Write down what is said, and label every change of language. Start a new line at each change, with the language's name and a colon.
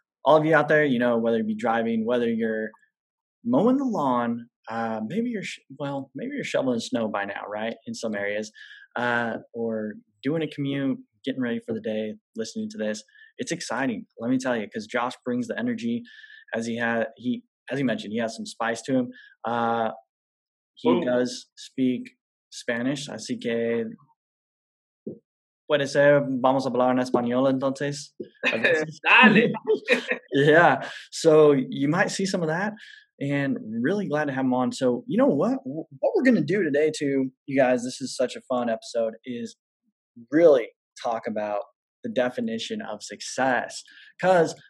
English: All of you out there, you know, whether you be driving, whether you're mowing the lawn, maybe you're shoveling snow by now, right, in some areas, or doing a commute, getting ready for the day, listening to this, it's exciting, let me tell you, because Josh brings the energy. As he mentioned, he has some spice to him. Does speak Spanish,
Spanish: así que puede ser vamos a hablar en español entonces. Dale.
English: Yeah. So you might see some of that, and really glad to have him on. So you know what? What we're gonna do today, too, you guys. This is such a fun episode. Is really talk about the definition of success, because.